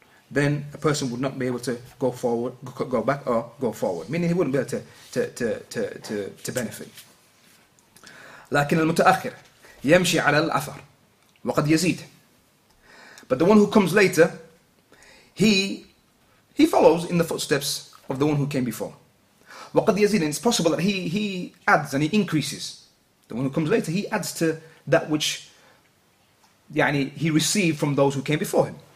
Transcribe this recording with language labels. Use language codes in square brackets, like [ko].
[en] Then a person would not be able to go forward, go back, or go forward. Meaning, he wouldn't be able to benefit. [ar] لكن المتأخر يمشي على الأثر وقد يزيد. [en] But the one who comes later, he follows in the footsteps of the one who came before. [ar] وقد يزيد. [en] It's possible that he adds and he increases. The one who comes later, he adds to that which, يعني, he received from those who came before him.